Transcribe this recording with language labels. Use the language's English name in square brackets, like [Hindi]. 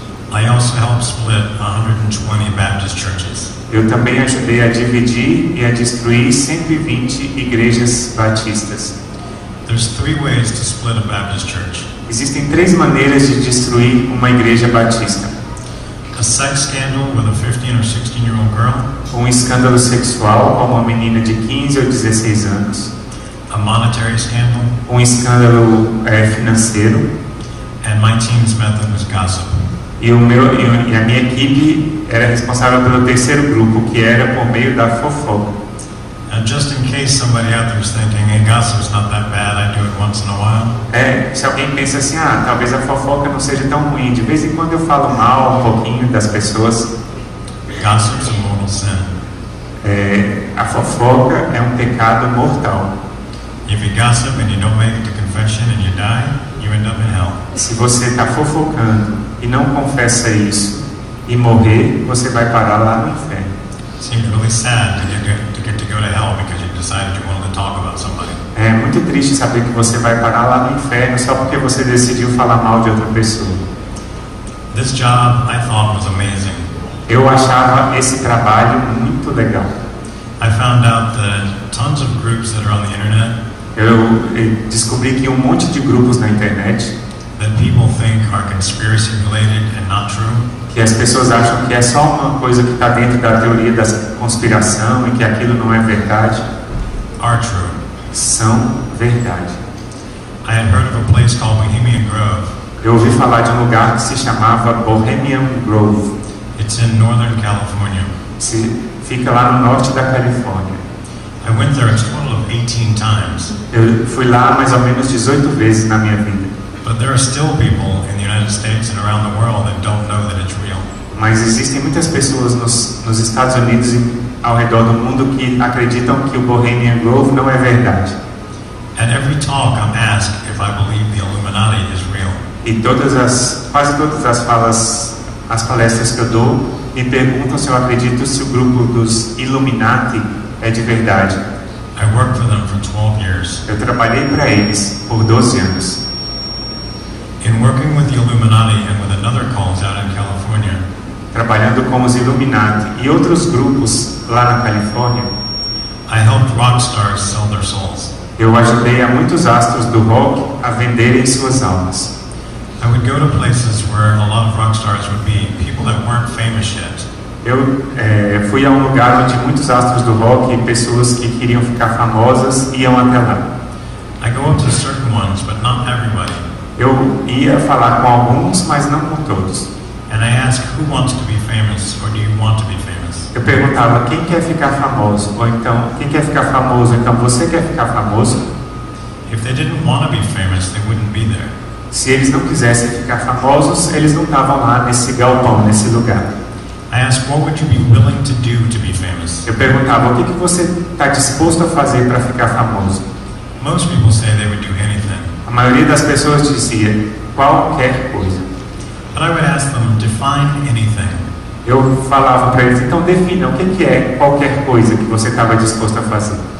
[English] I also helped split 120 Baptist churches. [Portuguese] Eu também ajudei a dividir e a destruir 120 igrejas batistas. [English] There's three ways to split a Baptist church. [Portuguese] Existem três maneiras de destruir uma igreja batista. [English] A sex scandal with a 15 or 16 year old girl. [Portuguese] Um escândalo sexual com uma menina de 15 ou 16 anos. [English] A monetary scandal. [Portuguese] Um escândalo financeiro. [English] And my team's method was gossip. [Portuguese] E a minha equipe era responsável pelo terceiro grupo, que era por meio da fofoca. [English] And just in case somebody out there is thinking, hey, gossip's not that bad, I do it once in a while. [Portuguese] Se alguém pensa assim, talvez a fofoca não seja tão ruim, de vez em quando eu falo mal um pouquinho das pessoas. [English] Gossip's a mortal sin. [Portuguese] A fofoca é um pecado mortal. [English] If you gossip and you don't make it to confession and you die, you end up in hell. [Portuguese] Se você está fofocando e não confessa isso e morrer, você vai parar lá no inferno. [English] Seems really sad that you're going to get to go to hell because you decided you wanted to talk about somebody. [Portuguese] É muito triste saber que você vai parar lá no inferno só porque você decidiu falar mal de outra pessoa. [English] This job I thought was amazing. [Portuguese] Eu achava esse trabalho muito legal. [English] I found out that tons of groups that are on the internet. [Portuguese] Eu descobri que um monte de grupos na internet [English] that people think are conspiracy related and not true. [Portuguese] Que as pessoas acham que é só uma coisa que está dentro da teoria da conspiração e que aquilo não é verdade. [English] Are true. [Portuguese] São verdade. [English] I had heard of a place called Bohemian Grove. [Portuguese] Eu ouvi falar de um lugar que se chamava Bohemian Grove. [English] It's in Northern California. [Portuguese] Fica lá no norte da Califórnia. [English] I went there a total of 18 times. [Portuguese] Eu fui lá mais ou menos 18 vezes na minha vida. [English] But there are still people in the United States and around the world that don't know that it's real. [Portuguese] Mas existem muitas pessoas nos Estados Unidos e ao redor do mundo que acreditam que o Bohemian Grove não é verdade. [English] At every talk, I'm asked if I believe the Illuminati is real. [Portuguese] E quase todas as falas, as palestras que eu dou, me perguntam se eu acredito se o grupo dos Illuminati é de verdade. [English] I worked for them for 12 years. [Portuguese] Eu trabalhei para eles por 12 anos. [English] In working with the Illuminati and with another cult out in California. [Portuguese] Trabalhando com os Illuminati e outros grupos lá na Califórnia. [English] I helped rock stars sell their souls. [Portuguese] Eu ajudei a muitos astros do rock a venderem suas almas. [English] I would go to places where a lot of rock stars would be, people that weren't famous yet. [Portuguese] Eu fui a um lugar onde muitos astros do rock e pessoas que queriam ficar famosas iam até lá. [English] I go up to certain ones, but not everybody. [Portuguese] Eu ia falar com alguns, mas não com todos. [English] And I ask, who wants to be famous, or do you want to be famous? [Portuguese] Eu perguntava, quem quer ficar famoso? Ou então, quem quer ficar famoso? Então, você quer ficar famoso? [English] If they didn't want to be famous, they wouldn't be there. [Portuguese] Se eles não quisessem ficar famosos, eles não estavam lá nesse galpão, nesse lugar. [English] I asked, what would you be willing to do to be famous? [Portuguese] Eu perguntava, o que você está disposto a fazer para ficar famoso? [English] Most people say they would do anything. [Portuguese] A maioria das pessoas dizia qualquer coisa. [English] But I would ask them, define anything. [Portuguese] Eu falava para eles, então defina o que é qualquer coisa que você estava disposto a fazer.